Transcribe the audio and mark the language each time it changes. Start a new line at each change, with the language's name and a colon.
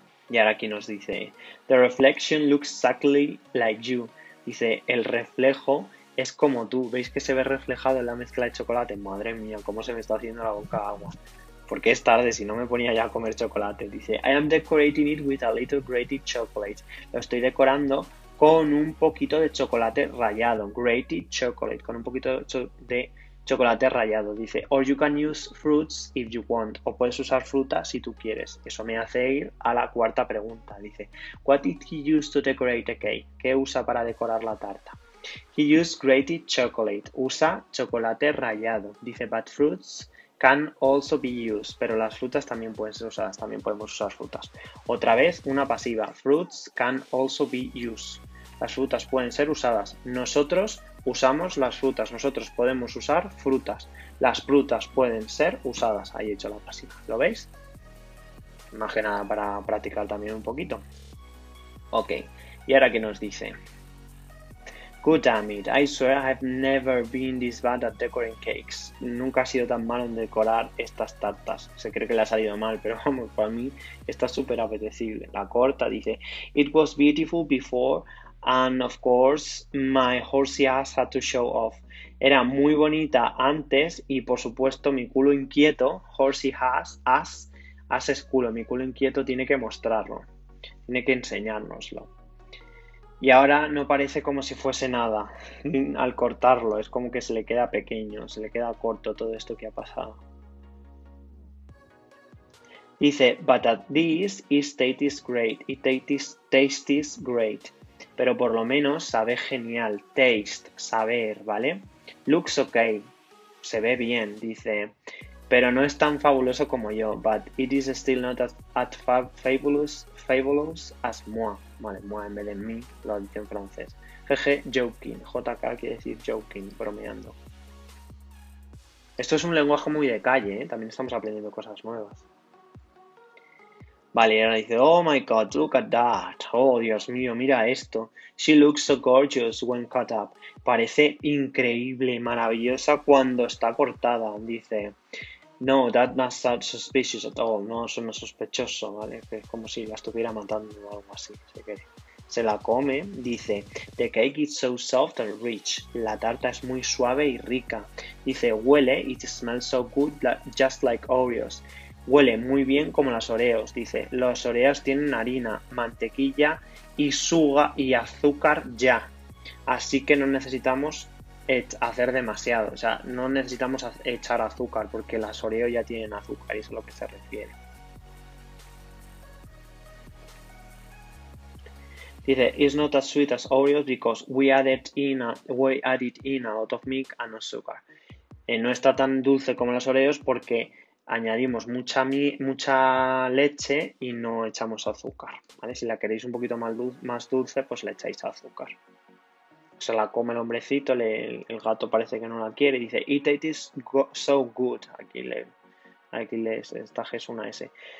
English: Y ahora aquí nos dice, the reflection looks exactly like you.
Spanish: Dice, el reflejo es como tú. ¿Veis que se ve reflejado en la mezcla de chocolate? Madre mía, cómo se me está haciendo la boca agua. Porque es tarde, si no me ponía ya a comer chocolate. Dice,
English: I am decorating it with a little grated chocolate.
Spanish: Lo estoy decorando con un poquito de chocolate rallado, grated chocolate, con un poquito de chocolate rallado.
English: Dice, or you can use fruits if you want,
Spanish: o puedes usar fruta si tú quieres. Eso me hace ir a la cuarta pregunta.
English: Dice, what did he use to decorate the cake?
Spanish: ¿Qué usa para decorar la tarta?
English: He used grated chocolate,
Spanish: usa chocolate rallado. Dice,
English: but fruits can also be used,
Spanish: pero las frutas también pueden ser usadas, también podemos usar frutas. Otra vez, una pasiva,
English: fruits can also be used.
Spanish: Las frutas pueden ser usadas. Nosotros usamos las frutas, nosotros podemos usar frutas. Las frutas pueden ser usadas. Ahí he hecho la pasiva, ¿lo veis? Más que nada para practicar también un poquito. Ok, ¿y ahora qué nos dice?
English: Good damn it, I swear I've never been this bad at decorating cakes.
Spanish: Nunca he sido tan malo en decorar estas tartas. Se cree que le ha salido mal, pero vamos, para mí está súper apetecible.
English: La corta dice, it was beautiful before and of course my horsey ass had to show off.
Spanish: Era muy bonita antes y por supuesto mi culo inquieto, horsey ass es culo, mi culo inquieto tiene que mostrarlo, tiene que enseñárnoslo. Y ahora no parece como si fuese nada al cortarlo, es como que se le queda pequeño, se le queda corto todo esto que ha pasado.
English: Dice, but at least it tastes great, it tastes great.
Spanish: Pero por lo menos sabe genial, taste, saber, ¿vale?
English: Looks ok,
Spanish: se ve bien, dice, pero no es tan fabuloso como yo,
English: but it is still not as fabulous as moi.
Spanish: Vale, moi en vez de mí, lo dice en francés. Jeje, joking. JK quiere decir joking, bromeando. Esto es un lenguaje muy de calle, ¿eh? También estamos aprendiendo cosas nuevas. Vale, y ahora dice,
English: oh my god, look at that.
Spanish: Oh, Dios mío, mira esto.
English: She looks so gorgeous when cut up.
Spanish: Parece increíble, maravillosa cuando está cortada.
English: Dice, no, that must sound suspicious at all.
Spanish: No, suena sospechoso, ¿vale? Que es como si la estuviera matando o algo así. Se la come, dice,
English: the cake is so soft and rich.
Spanish: La tarta es muy suave y rica. Dice, huele,
English: it smells so good, just like Oreos.
Spanish: Huele muy bien como las Oreos. Dice, los Oreos tienen harina, mantequilla y suga y azúcar ya. Así que no necesitamos hacer demasiado, o sea, no necesitamos echar azúcar porque las Oreo ya tienen azúcar y eso es a lo que se refiere.
English: Dice, it's not as sweet as Oreos because we added in a lot of milk and no sugar.
Spanish: No está tan dulce como las Oreos porque añadimos mucha leche y no echamos azúcar, ¿vale? Si la queréis un poquito más dulce, pues le echáis azúcar. Se la come el hombrecito, el gato parece que no la quiere, dice,
English: it tastes so good,
Spanish: aquí le esta G es una S.